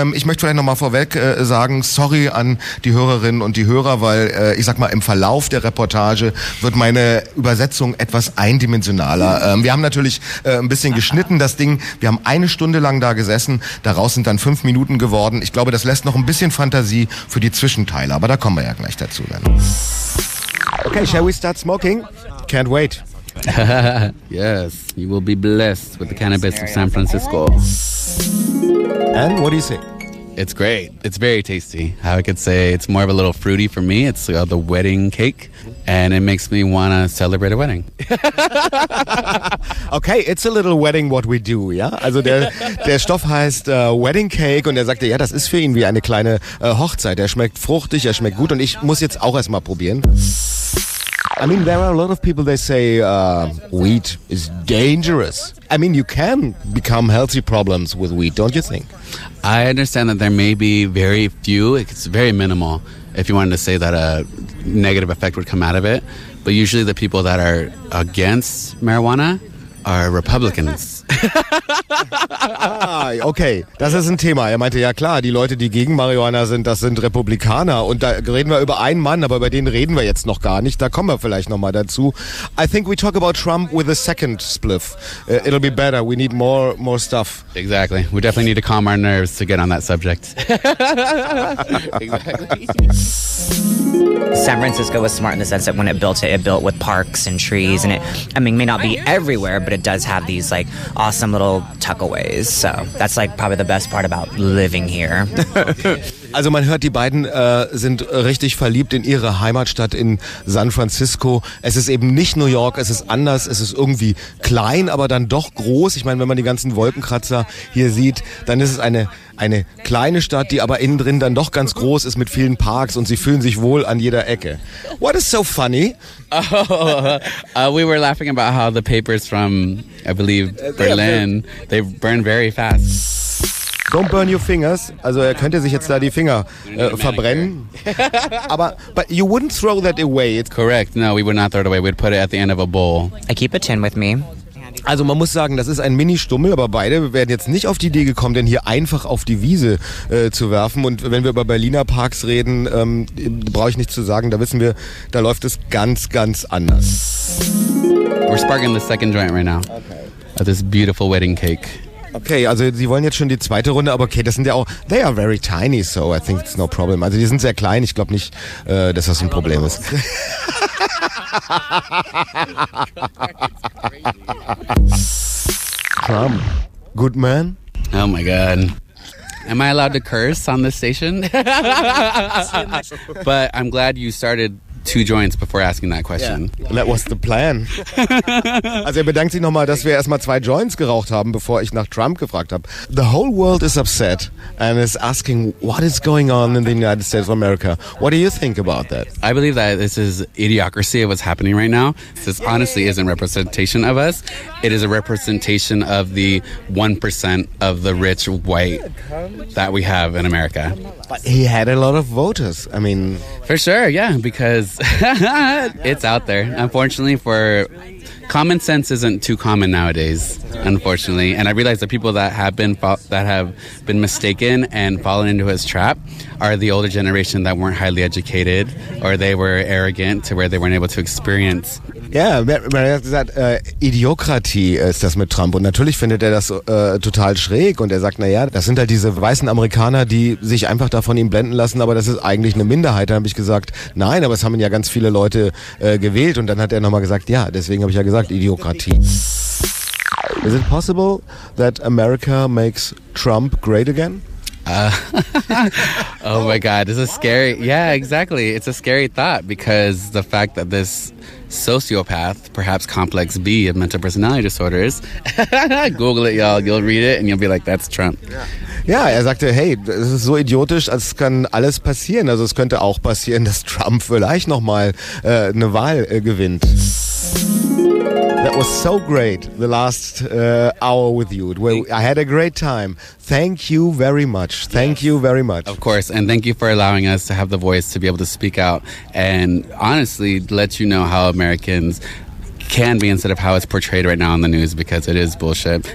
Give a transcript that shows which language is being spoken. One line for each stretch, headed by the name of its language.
German: Ich möchte vielleicht nochmal vorweg sagen, sorry an die Hörerinnen und die Hörer, weil ich sag mal, im Verlauf der Reportage wird meine Übersetzung etwas eindimensionaler. Wir haben natürlich ein bisschen geschnitten, das Ding, wir haben eine Stunde lang da gesessen, daraus sind dann 5 Minuten geworden. Ich glaube, das lässt noch ein bisschen Fantasie für die Zwischenteile. Aber da kommen wir ja gleich dazu dann.
English: Okay, shall we start smoking? Can't wait. Yes, you will be blessed with the cannabis of San Francisco. And what do you say? It's great. It's very tasty. I could say it's more of a little fruity for me. It's the wedding cake. And it makes me want to celebrate a wedding. Okay, it's a little wedding what we do, ja?
German: Also der Stoff heißt Wedding Cake und er sagte, ja, das ist für ihn wie eine kleine Hochzeit. Er schmeckt fruchtig, er schmeckt gut und ich muss jetzt auch erstmal probieren.
English: I mean, there are a lot of people, they say weed is dangerous. I mean, you can become healthy problems with weed, don't you think? I understand that there may be very few, it's very minimal, if you wanted to say that a negative effect would come out of it. But usually the people that are against marijuana are Republicans.
German: Ah, okay, das ist ein Thema. Er meinte, ja klar, die Leute, die gegen Marihuana sind, das sind Republikaner. Und da reden wir über einen Mann, aber über den reden wir jetzt noch gar nicht. Da kommen wir vielleicht nochmal dazu.
English: I think we talk about Trump with a second spliff. It'll be better. We need more stuff. Exactly. We definitely need to calm our nerves to get on that subject. Exactly. San Francisco was smart in the sense that when it built with parks and trees. And it, I mean, may not be everywhere, but it does have these, like, awesome little tuckaways. So that's like probably the best part about living here.
German: Also man hört, die beiden sind richtig verliebt in ihre Heimatstadt in San Francisco. Es ist eben nicht New York, es ist anders, es ist irgendwie klein, aber dann doch groß. Ich meine, wenn man die ganzen Wolkenkratzer hier sieht, dann ist es eine kleine Stadt, die aber innen drin dann doch ganz groß ist mit vielen Parks und sie fühlen sich wohl an jeder Ecke.
English: What is so funny? Oh, we were laughing about how the papers from, I believe, Berlin, they burn very fast. Don't burn your fingers.
German: Also er könnte sich jetzt da die Finger verbrennen. Aber
English: but you wouldn't throw that away. It's correct. No, we would not throw it away. We'd put it at the end of a bowl. I keep a tin with me.
German: Also man muss sagen, das ist ein Mini-Stummel, aber beide werden jetzt nicht auf die Idee gekommen, den hier einfach auf die Wiese zu werfen. Und wenn wir über Berliner Parks reden, brauche ich nichts zu sagen. Da wissen wir, da läuft es ganz, ganz anders.
English: We're sparking the second joint right now. Okay. This beautiful wedding cake.
German: Okay, also sie wollen jetzt schon die zweite Runde, aber okay, das sind ja auch,
English: they are very tiny, so I think it's no problem.
German: Also die sind sehr klein, ich glaube nicht, dass das ein Problem ist.
English: Trump, good man. Oh my God. Am I allowed to curse on this station? But I'm glad you started 2 joints before asking that question. Yeah. That was the plan. Also er bedankt sich nochmal, dass wir erstmal 2 Joints geraucht haben, bevor ich nach Trump gefragt habe. The whole world is upset and is asking what is going on in the United States of America. What do you think about that? I believe that this is idiocracy of what's happening right now. This honestly isn't representation of us. It is a representation of the 1% of the rich white that we have in America. But he had a lot of voters. I mean, for sure, yeah, because it's out there. Unfortunately for common sense isn't too common nowadays, unfortunately. And I realize that people that have been mistaken and fallen into his trap are the older generation that weren't highly educated, or they were arrogant to where they weren't able to experience.
German: Ja, man hat gesagt, Idiokratie ist das mit Trump. Und natürlich findet er das total schräg. Und er sagt, naja, das sind halt diese weißen Amerikaner, die sich einfach davon ihm blenden lassen. Aber das ist eigentlich eine Minderheit. Dann habe ich gesagt, nein, aber es haben ja ganz viele Leute gewählt. Und dann hat er nochmal gesagt, ja, deswegen habe ich ja gesagt, Idiokratie.
English: Is it possible that America makes Trump great again? oh my God, this is scary. Yeah, exactly. It's a scary thought, because the fact that this sociopath, perhaps complex B of mental personality disorders, Google it, y'all, you'll read it and you'll be like, that's Trump.
German: Ja, er sagte, hey, das ist so idiotisch, es kann alles passieren. Also es könnte auch passieren, dass Trump vielleicht nochmal eine Wahl gewinnt.
English: That was so great, the last hour with you. I had a great time. Thank you very much. Thank you very much. Of course, and thank you for allowing us to have the voice to be able to speak out and honestly let you know how Americans can be instead of how it's portrayed right now in the news, because it is bullshit.